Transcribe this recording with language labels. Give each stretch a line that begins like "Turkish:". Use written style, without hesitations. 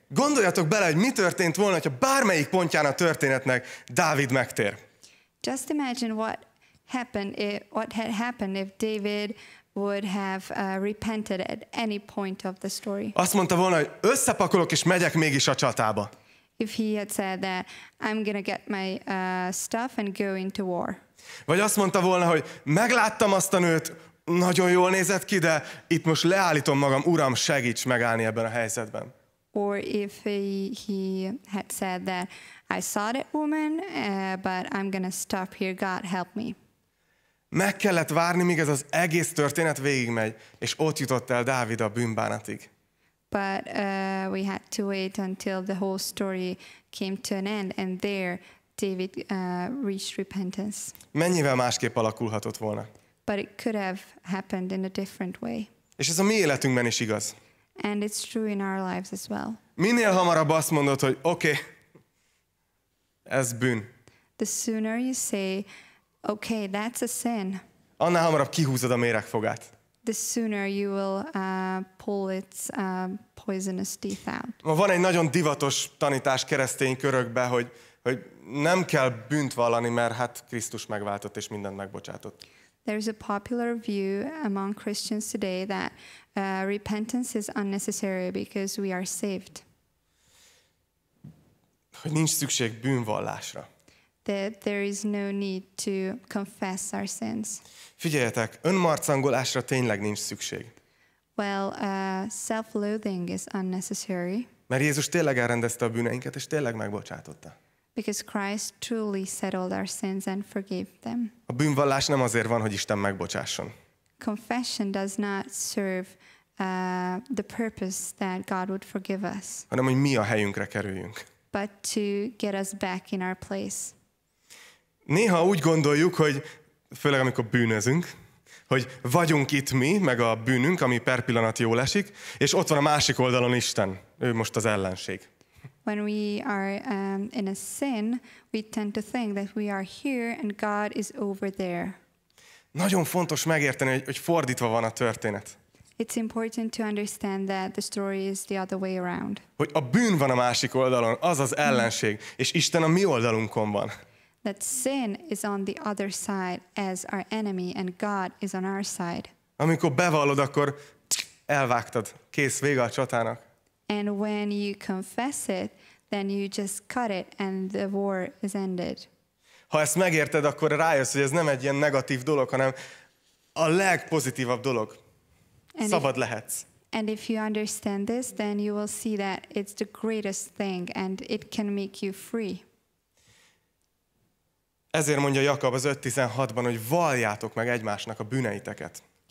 Hungarian: Gondoljatok bele, hogy mi történt volna, ha bármelyik pontján a történetnek Dávid megtér.
English: Just imagine what had happened if David would have repented at any point of the story.
Hungarian: Azt mondta volna, hogy összepakolok és megyek mégis a csatába.
English: If he had said that I'm gonna get my stuff and go into war.
Hungarian: Vagy azt mondta volna, hogy megláttam azt a nőt, nagyon jól nézett ki, de itt most leállítom magam, Uram, segíts megállni ebben a helyzetben.
English: Or if he had said that I saw that woman, but I'm gonna stop here, God help me.
Hungarian: Meg kellett várni, míg ez az egész történet végigmegy, és ott jutott el Dávid a bűnbánatig.
English: But we had to wait until the whole story came to an end, and there David reached repentance.
Hungarian: Mennyivel másképp alakulhatott volna?
English: But it could have happened in a different way.
Hungarian: És ez a mi életünkben is igaz.
English: And it's true in our lives as well.
Hungarian: Minél hamarabb azt mondod, hogy okay, ez bűn.
English: The sooner you say, okay, that's a sin.
Hungarian: Annál hamarabb kihúzod a méregfogát.
English: The sooner you will pull its poisonous teeth out.
Hungarian: Van egy nagyon divatos tanítás keresztény körökbe, hogy nem kell bűnt vallani, mert hát Krisztus megváltott és mindent megbocsátott.
English: There is a popular view among Christians today that repentance is unnecessary because we are saved.
Hungarian: Hogy nincs szükség bűnvallásra.
English: That there is no need to confess our sins.
Hungarian: Figyeljetek, önmarcangolásra tényleg nincs szükség.
English: Well, self-loathing is unnecessary.
Hungarian: Mert Jézus tényleg elrendezte a bűneinket és tényleg megbocsátotta.
English: Because Christ truly settled our sins and forgave them.
Hungarian: A bűnvallás nem azért van, hogy Isten megbocsásson.
English: Confession does not serve the purpose that God would forgive us.
Hungarian: Hanem, hogy mi a helyünkre kerüljünk.
English: But to get us back in our place.
Hungarian: Néha úgy gondoljuk, hogy főleg amikor bűnözünk, hogy vagyunk itt mi, meg a bűnünk, ami per pillanat jól esik, és ott van a másik oldalon Isten. Ő most az ellenség.
English: When we are in a sin, we tend to think that we are here and God is over there.
Hungarian: Nagyon fontos megérteni, hogy fordítva van a történet.
English: It's important to understand that the story is the other way around.
Hungarian: Hogy a bűn van a másik oldalon, az az ellenség, és Isten a mi oldalunkon van.
English: That sin is on the other side as our enemy and God is on our side.
Hungarian: Amikor bevallod, akkor elvágtad, kész, vége a csatának.
English: And when you confess it, then you just cut it and the war is ended.
Hungarian: Ha ezt megérted, akkor rájössz, hogy ez nem egy ilyen negatív dolog, hanem a legpozitívabb dolog.
English: And
Hungarian: szabad lehetsz.
English: And if you understand this, then you will see that it's the greatest thing and it can make you free.
Hungarian: Ezért mondja Jakab az 5:16-ban, hogy valljátok meg egymásnak a bűneiteket.